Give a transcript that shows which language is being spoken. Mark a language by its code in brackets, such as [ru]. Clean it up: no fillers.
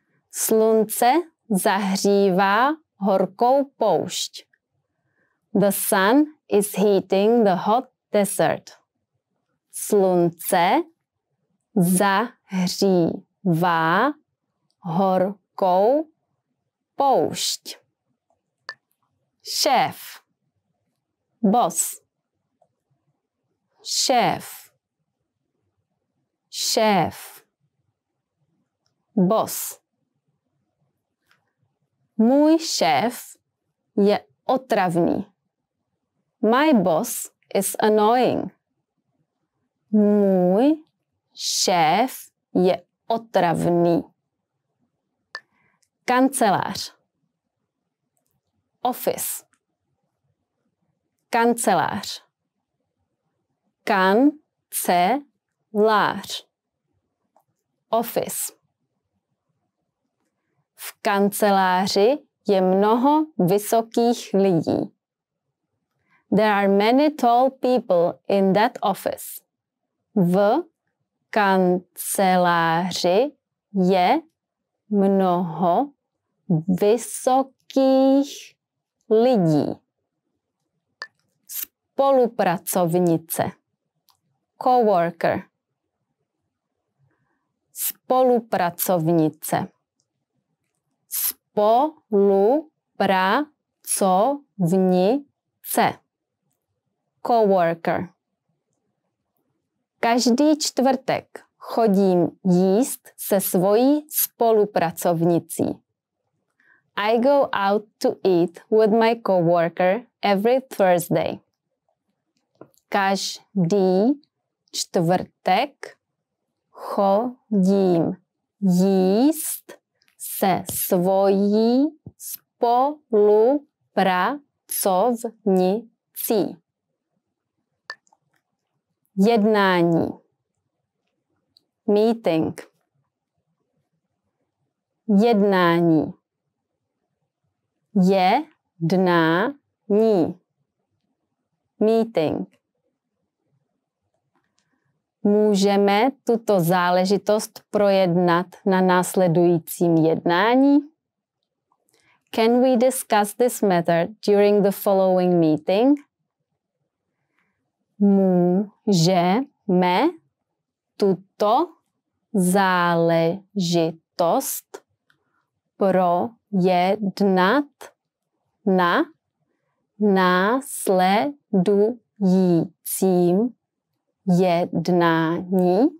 [cs] Slunce zahřívá horkou poušť. [en] The sun is heating the hot desert. [cs] Slunce zahřívá horkou poušť. Šéf. Boss. Šéf. Šéf. Boss. Můj šéf je otravný. [en] My boss is annoying. [cs] Můj šéf je otravný. Kancelář. Office. Kancelář. Kancelář. Office. V kanceláři je mnoho vysokých lidí. [en] There are many tall people in that office. [cs] V kanceláři je mnoho vysokých lidí. spolupracovnice, coworker, spolupracovnice, spolupracovnice, coworker. Každý čtvrtek chodím jíst se svojí spolupracovnicí. [en] I go out to eat with my coworker every Thursday. [cs] Každý čtvrtek chodím jíst se svojí spolupracovnicí. Jednání. Meeting. Jednání. Jednání. Meeting. Můžeme tuto záležitost projednat na následujícím jednání? [en] Can we discuss this matter during the following meeting? [cs] Můžeme tuto záležitost projednat na následujícím jednání.